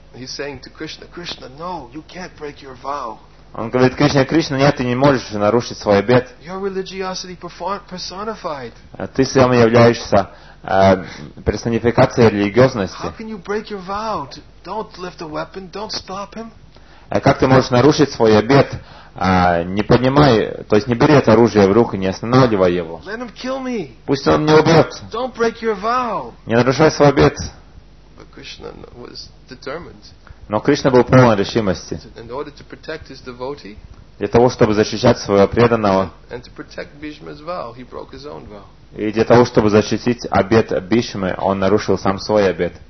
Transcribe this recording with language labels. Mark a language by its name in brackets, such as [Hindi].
[English] He's saying to Krishna, Krishna, no, you can't break your vow. [Russian] Он говорит: Кришна, Кришна, нет, ты не можешь нарушить свой обет. [English] Your religiosity personified. [Russian] Ты сам являешься персонификацией религиозности. [English] How can you break your vow? Don't lift a weapon. Don't stop him. [Russian] Как ты можешь нарушить свой обет? Не поднимай, то есть не бери это оружие в руку, не останавливай его. [English] Let him kill me. [Russian] Пусть он не убьет. [English] Don't break your vow. [Russian] Не нарушай свой обет. [English] But Krishna was determined. [Russian] Но Кришна был полон решимости. [English] In order to protect his devotee, [Russian] для того, чтобы защищать своего преданного. [English] And to protect Bhishma's vow, he broke his own vow. [Russian] И для того, чтобы защитить обет Бишмы, он нарушил сам свой обет.